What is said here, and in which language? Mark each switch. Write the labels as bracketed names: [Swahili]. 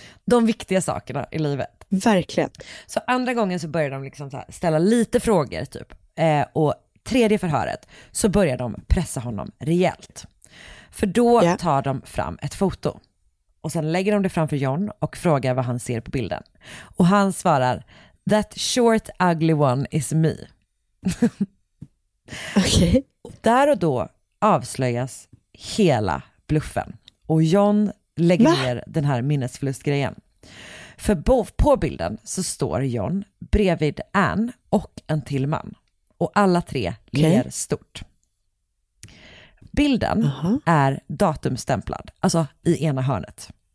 [Swedish] De viktiga sakerna i livet. Verkligen. Så andra gången så börjar de liksom så här, ställa lite frågor typ. Och tredje förhöret så börjar de pressa honom rejält. För då tar de fram ett foto. Och sen lägger de det framför John och frågar vad han ser på bilden. Och han svarar, [English] that short ugly one is me. [Swedish] Okej. [English] Okay. [Swedish] Där och då avslöjas hela bluffen. Och John lägger ner den här minnesförlustgrejen. För på bilden så står John bredvid Anne och en till man. Och alla tre ler stort. Bilden är datumstämplad, alltså i ena hörnet.